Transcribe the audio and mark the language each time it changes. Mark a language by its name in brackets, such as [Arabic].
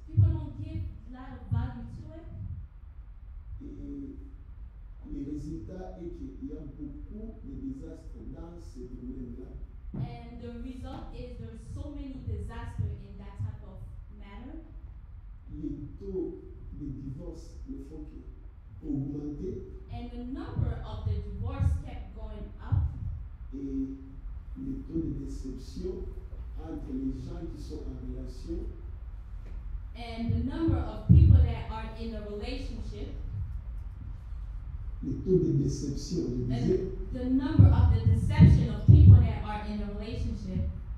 [English] People don't give a lot of value to it. [French] Et le résultat est qu'il y a beaucoup de désastres dans ce domaine-là. [English] And the result is there are so many disasters in that type of matter. [French] Les taux de divorce ne font que augmenter. [English] And the number of the divorce kept going up. [French] Et le taux de déception entre les gens qui sont en relation. [English] And the number of people that are in a relationship. [French] Le taux de déception, je disais. [English] The number of the deception of people that are in a relationship.